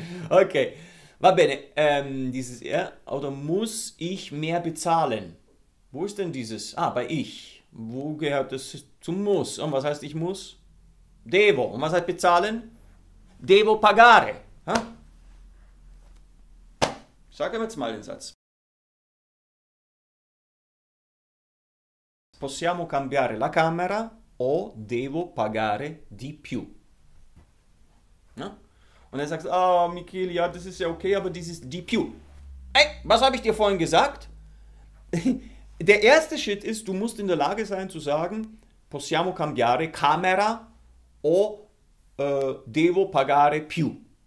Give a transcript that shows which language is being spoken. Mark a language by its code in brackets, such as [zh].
[de] Okay, [it] va bene, [de] dieses er, oder muss ich mehr bezahlen? Wo ist denn dieses, bei ich, wo gehört das zum muss? Und was heißt ich muss? [it] Devo, [de] und was heißt bezahlen? [it] Devo pagare, ha? [de] Sag ihm jetzt mal den Satz. [it] Possiamo cambiare la camera o devo pagare di più? [de] Na? Und er sagt, oh, Michele, ja, das ist ja okay, aber dieses [it] di più. [de] Ey, was habe ich dir vorhin gesagt? Der erste Schritt ist, du musst in der Lage sein zu sagen, [it] possiamo cambiare camera o devo pagare più.